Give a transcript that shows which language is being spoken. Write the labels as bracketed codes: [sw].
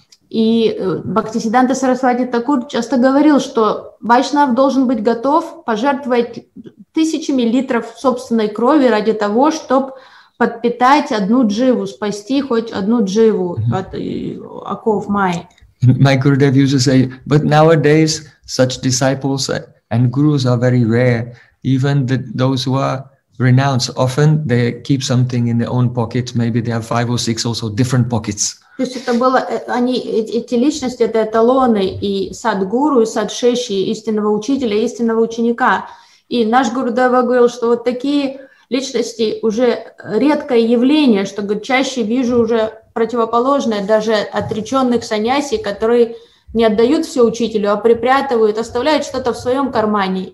[ru] И Бхактисиддханта Сарасвати Такур часто говорил, что вайшнав должен быть готов пожертвовать тысячами литров собственной крови ради того, чтобы подпитать одну дживу, спасти хоть одну дживу от оков майи. [en] My Gurudev used to say, but nowadays such disciples and gurus are very rare. Even the, those who are renounced, often they keep something in their own pocket. Maybe they have 5 or 6 also different pockets. [ru] То есть это было, они, эти личности, это эталоны и садгуру, и садшеши, истинного учителя, истинного ученика. И наш Гурудев говорил, что вот такие личности уже редкое явление, что говорит, чаще вижу уже противоположное, даже отреченных саньяси, которые не отдают все учителю, а припрятывают, оставляют что-то в своем кармане.